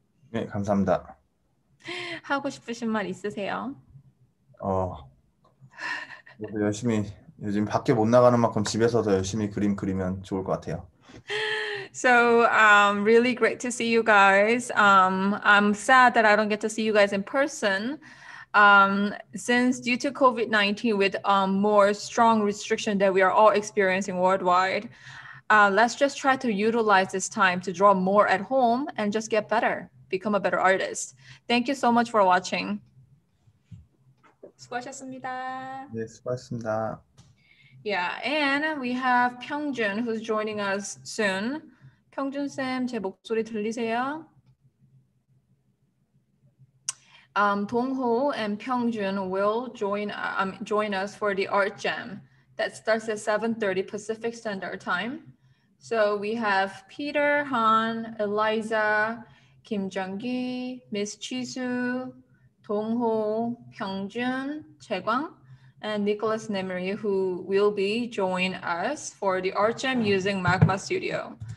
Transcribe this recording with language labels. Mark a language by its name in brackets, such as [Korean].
[Korean] 네, 감사합니다. 하고 싶으신 말 있으세요? 열심히, 요즘 밖에 못 나가는 만큼 집에서 더 열심히 그림 그리면 좋을 것 같아요. [English] So, really great to see you guys. I'm sad that I don't get to see you guys in person. Since due to COVID-19 with more strong restriction that we are all experiencing worldwide, let's just try to utilize this time to draw more at home and just get better. Become a better artist. Thank you so much for watching. [Korean] 수고하셨습니다. 네, 수고하셨습니다. [English] Yeah, and we have 평준 who's joining us soon. [Korean] 평준 쌤, 제 목소리 들리세요? [English] Dongho and 평준 will join us for the art jam that starts at 7:30 Pacific Standard Time. So we have Peter, Han, Eliza, Kim Jung-gi, Miss Chisu, Dongho, Pyeongjun, Jaegwang, and Nicholas Nemery, who will be joining us for the art jam using Magma Studio.